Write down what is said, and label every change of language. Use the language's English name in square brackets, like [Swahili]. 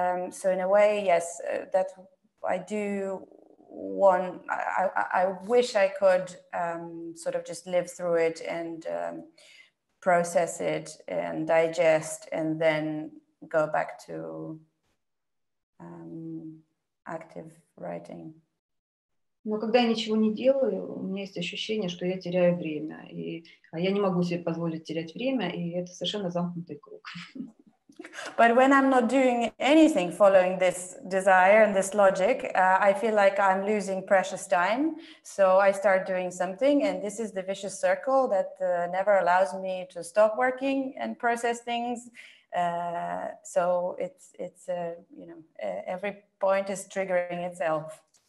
[English] So in a way, yes, that I do want, I wish I could sort of just live through it and process it and digest and then go back to active writing. [Russian] Но когда я ничего не делаю, у меня есть ощущение, что я теряю время. И я не могу себе позволить терять время, и это совершенно замкнутый круг. [English] But when I'm not doing anything following this desire and this logic, I feel like I'm losing precious time. So I start doing something, and this is the vicious circle that never allows me to stop working and process things. So it's you know, every point is triggering itself.